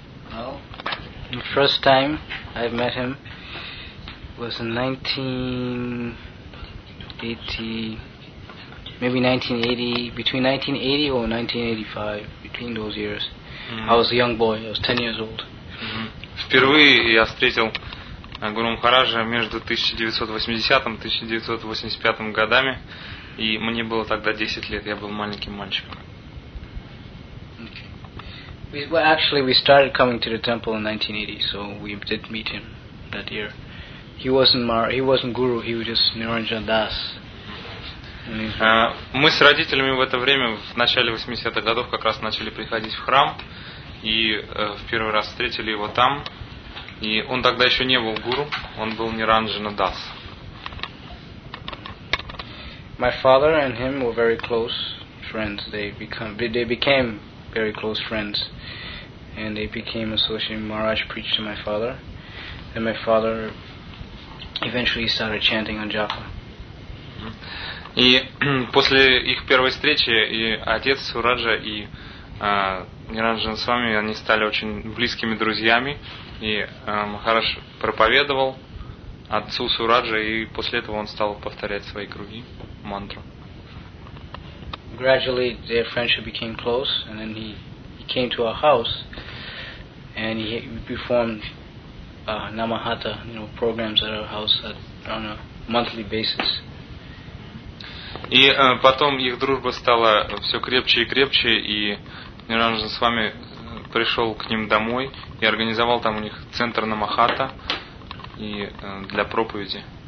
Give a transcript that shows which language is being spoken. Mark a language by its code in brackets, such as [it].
[en] Well, the first time I met him was in 1980 or 1985, between those years. Mm-hmm. I was a young boy, I was 10 years old. Mm-hmm. [ru] Впервые я встретил Гуру Махараджа между 1980 и 1985 годами, и мне было тогда 10 лет, я был маленьким мальчиком. [en] Okay. We started coming to the temple in 1980, so we did meet him that year. He wasn't guru, he was just Niranjan Das. [ru] Мы с родителями в это время, в начале 80-х годов, как раз начали приходить в храм. И в первый раз встретили его там. И он тогда еще не был гуру, он был Ниранджана Дас. [en] My father and him were very close friends. They became very close friends. And they became associated. Maharaj preached to my father. And my father eventually started chanting on Japa. [ru] И после их первой встречи и отец Сураджа, и Ниранджан с вами, они стали очень близкими друзьями, и Махарадж проповедовал отцу Сураджа, и после этого он стал повторять свои круги, мантру. [en] Gradually their friendship became close, and then he came to our house, and he performed Namahata, you know, programs at our house on a monthly basis. [ru] И потом их дружба стала все крепче и крепче, и Ниранджан с вами пришел к ним домой и организовал там у них центр Намахата и для проповеди.